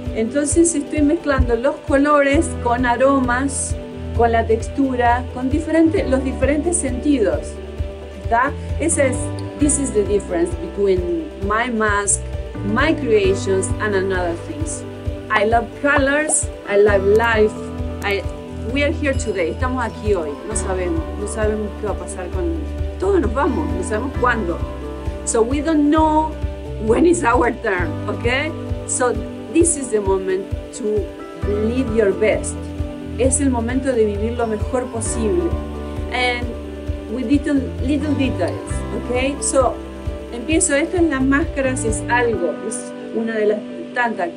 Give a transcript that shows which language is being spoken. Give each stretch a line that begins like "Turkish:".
Spanish: Entonces estoy mezclando los colores con aromas, con la textura, con los diferentes sentidos, ¿está?
English: This is the difference between, my mask, my creations, and another things. I love colors, I love life. We are here today,
Spanish: estamos aquí hoy, no sabemos qué va a pasar con todos, nos vamos, no sabemos cuándo.
English: So we don't know when is our turn, okay? So this is the moment to live your best.
Spanish: Es el momento de vivir lo mejor posible.
English: And with little details, okay?
Spanish: So, empiezo, estas las máscaras es algo, es una de las tantas.